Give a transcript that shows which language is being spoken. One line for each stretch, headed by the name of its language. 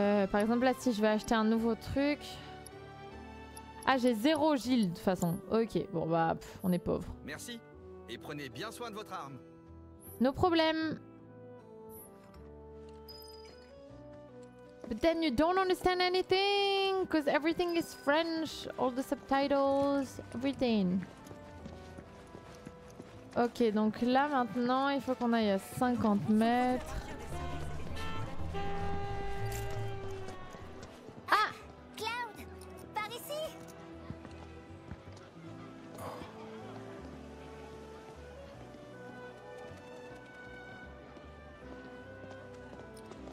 French: Par exemple, là, si je vais acheter un nouveau truc... Ah, j'ai zéro gilde, de toute façon. Ok, bon, bah, pff, on est pauvres. Merci, et prenez bien soin de votre arme. Nos problèmes.
English: But then you don't understand anything, because everything is French, all the subtitles, everything.
French: Ok, donc là maintenant, il faut qu'on aille à 50 mètres. Ah ! Cloud, par ici !